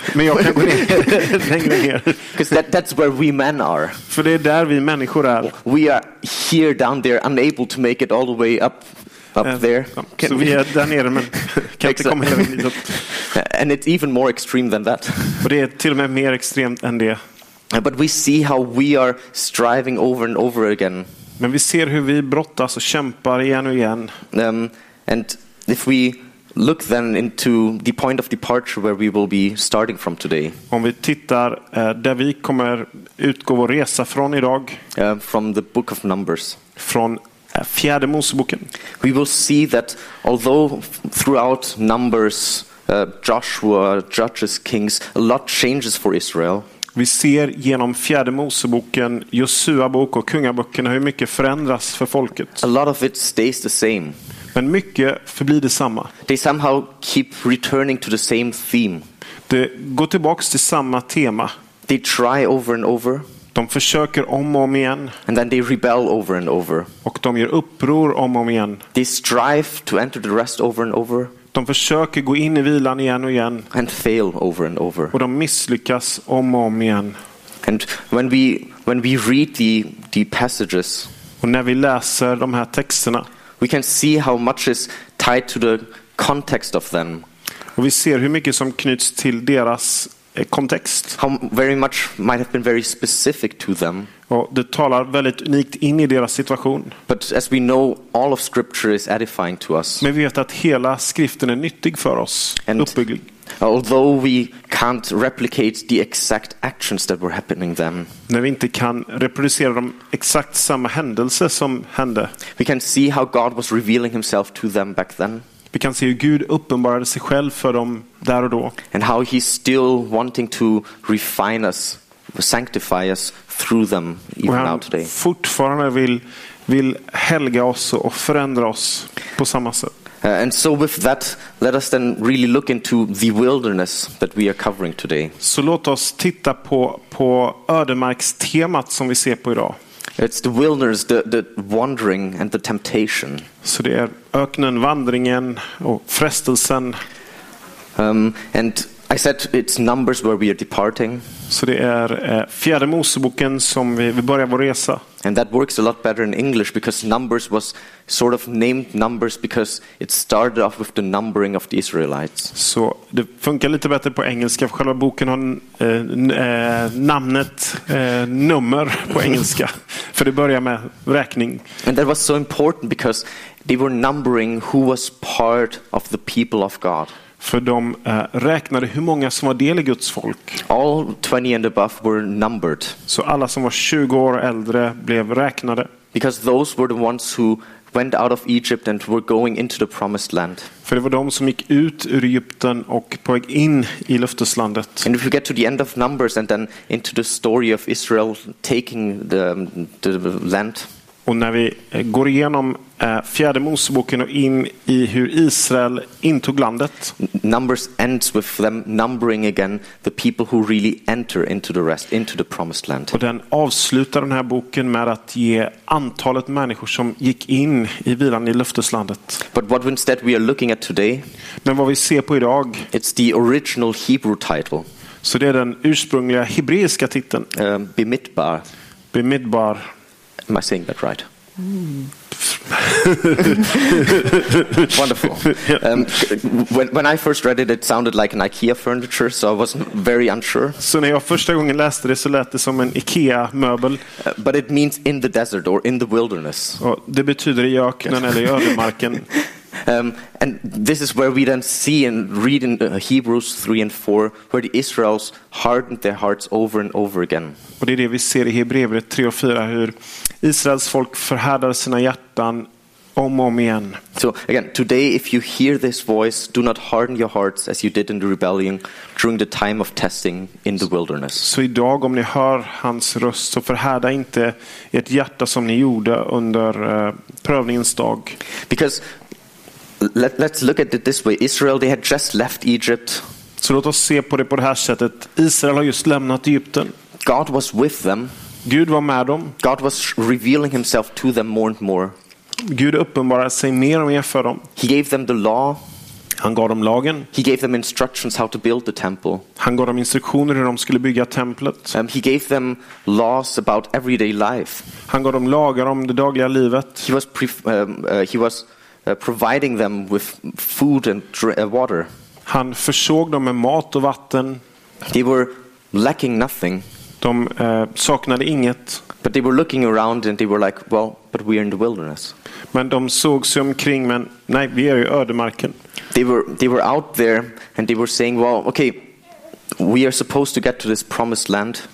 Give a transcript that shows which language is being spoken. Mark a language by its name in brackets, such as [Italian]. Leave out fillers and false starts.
[Swedish] Men jag kan gå ner längre ner. [English] Because that's where we men are. [Swedish] För det är där vi människor är. [English] We are here down there, unable to make it all the way up. There. [Swedish] Så vi är där nere men kan inte komma hela vägen dit. [English] And it's even more extreme than that. [Swedish] Och det är till och med mer extremt än det. [English] But we see how we are striving over and over again. [Swedish] Men vi ser hur vi brottas och kämpar igen och igen. [English] And if we look then into the point of departure where we will be starting from today. [Swedish] Om vi tittar där vi kommer utgå vår resa från idag. [English] From the book of Numbers. [Swedish] Från Fjärde Moseboken. [English] We will see that although throughout Numbers, Joshua, Judges, Kings, a lot changes for Israel. [Swedish] Vi ser genom Fjärde Moseboken, Josua bok och Kungaboken hur mycket förändras för folket. [English] A lot of it stays the same. [Swedish] Men mycket förblir detsamma. [English] They somehow keep returning to the same theme. [Swedish] De går tillbaks till samma tema. [English] They try over and over. [Swedish] De försöker om och om igen. [English] And then they rebel over and over. [Swedish] Och de gör uppror om och om igen. [English] They strive to enter the rest over and over. [Swedish] De försöker gå in i vilan igen och igen. [English] And fail over and over. [Swedish] Och de misslyckas om och om igen. [English] And when we read the passages. [Swedish] Och när vi läser de här texterna, [English] we can see how much is tied to the context of them. [Swedish] Och vi ser hur mycket som knyts till deras kontext. [English] How very much might have been very specific to them. [Swedish] Och det talar väldigt unikt in i deras situation. [English] But as we know, all of scripture is edifying to us. [Swedish] Men vi vet att hela skriften är nyttig för oss. Uppbygglig. [English] Although we can't replicate the exact actions that were happening then. [Swedish] När vi inte kan reproducera de exakt samma händelser som hände. [English] We can see how God was revealing himself to them back then. [Swedish] Vi kan se hur Gud uppenbarade sig själv för dem där och då. [English] And how he's still wanting to refine us, sanctify us through them even now today. [Swedish] Fortfarande vill helga oss och förändra oss på samma sätt. [English] And so with that, let us then really look into the wilderness that we are covering today. [Swedish] Så låt oss titta på ödemarkstemat som vi ser på idag. [English] It's the wilderness, the wandering and the temptation. [Swedish] Så det är öknen, vandringen och frestelsen. [English] And I said it's Numbers where we are departing. [Swedish] Så det är Fjärde Moseboken som vi börjar vår resa. [English] And that works a lot better in English because Numbers was sort of named Numbers because it started off with the numbering of the Israelites. [Swedish] Så det funkar lite bättre på engelska för själva boken har namnet nummer på engelska för det börjar med räkning. [English] And that was so important because they were numbering who was part of the people of God. [Swedish] För de räknade hur många som var del i Guds folk. [English] All 20 and above were numbered. [Swedish] Så alla som var 20 år äldre blev räknade. [English] Because those were the ones who went out of Egypt and were going into the promised land. [Swedish] För det var de som gick ut ur Egypten och på väg in i löfteslandet. [English] And if you get to the end of Numbers and then into the story of Israel taking the land. [Swedish] Och när vi går igenom Fjärde Moseboken och in i hur Israel intog landet. [English] Numbers ends with them numbering again the people who really enter into the rest, into the promised land. [Swedish] Och den avslutar den här boken med att ge antalet människor som gick in i vilan i löfteslandet. [English] But what instead we are looking at today? [Swedish] Men vad vi ser på idag? [English] It's the original Hebrew title. [Swedish] Så det är den ursprungliga hebreiska titeln. [Hebrew] Bemidbar. Bemidbar. [English] Am I saying that right? Wonderful. When I first read it sounded like an IKEA furniture, so I was very unsure. [Swedish] Så när jag första gången läste det så lät det som en IKEA möbel. [English] But it means in the desert or in the wilderness. [Swedish] Och det betyder i öknen eller i ödemarken. [English] And this is where we then see and read in Hebrews 3 and 4 where the Israelites hardened their hearts over and over again. [Swedish] Och det är det vi ser i Hebreerbrevet 3 och 4 hur Israels folk förhärdar sina hjärtan om och om igen. [English] So again, today if you hear this voice, do not harden your hearts as you did in the rebellion during the time of testing in the wilderness. [Swedish] Så idag om ni hör hans röst så förhärda inte ert hjärta som ni gjorde under prövningens dag. [English] Because let's look at it this way. Israel, they had just left Egypt. [Swedish] Så låt oss se på det på det här sättet. Israel har just lämnat Egypten. [English] God was with them. [Swedish] Gud var med dem. [English] God was revealing himself to them more and more. [Swedish] Gud uppenbarade sig mer och mer för dem. [English] He gave them the law. [Swedish] Han gav dem lagen. [English] He gave them instructions how to build the temple. [Swedish] Han gav dem instruktioner hur de skulle bygga templet. [English] He gave them laws about everyday life. [Swedish] Han gav dem lagar om det dagliga livet. [English] He was providing them with food and water. [Swedish] Han försåg dem med mat och vatten. [English] They were lacking nothing. [Swedish] De saknade inget. [English] But they were looking around and they were like, well, but we are in the wilderness. [Swedish] Men de såg sig omkring, men nej, vi är i ödemarken. [English] They were out there and they were saying, well, okay, we are supposed to get to this promised land.